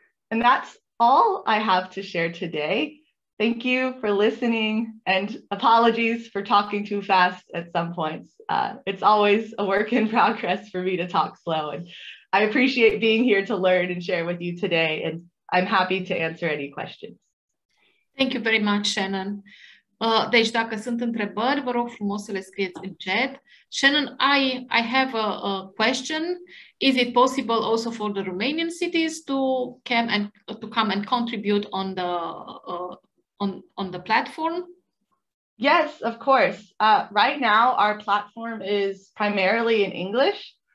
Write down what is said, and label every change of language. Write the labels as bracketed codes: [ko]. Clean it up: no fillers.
[en] And that's all I have to share today. Thank you for listening, and apologies for talking too fast at some points. It's always a work in progress for me to talk slow, and I appreciate being here to learn and share with you today, and I'm happy to answer any questions. Thank you very much, Shannon. [ro] Deci, dacă sunt întrebări, vă rog frumos să le scrieți în chat. [en] Shannon, I have a question. Is it possible also for the Romanian cities to come and contribute on the platform? Yes, of course. Right now, our platform is primarily in English.